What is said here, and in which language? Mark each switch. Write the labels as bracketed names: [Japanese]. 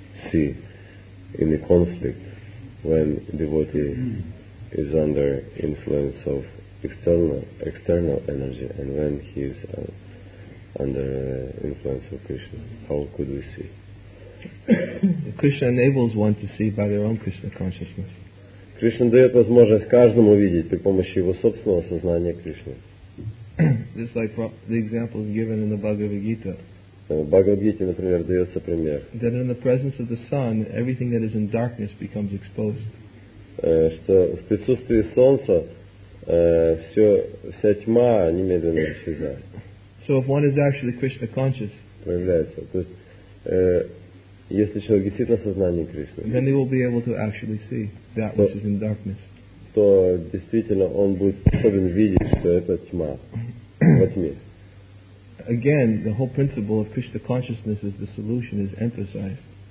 [English] See in the conflict when devotee is under influence of external energy and when he is under influence of Krishna. How could we see? Krishna enables one to see by their own Krishna consciousness. [Russian] Krishna дает возможность каждому видеть при помощи его собственного сознания Кришны. [English] Just like the example is given in the Bhagavad Gita. [Russian] В Бхагавад-гите, например, дается пример. [English] That in the presence of the sun, everything that is in darkness becomes exposed. [Russian] Что в присутствии солнца вся тьма немедленно исчезает. [English] So if one is actually Krishna conscious, [Russian] проявляется. То есть если человек действительно в сознании Кришны, [English] then he will be able to actually see that which is in darkness. [Russian] То действительно он будет способен видеть, что это тьма во тьме. [English] Again, the whole principle of Krishna consciousness as the solution is emphasized.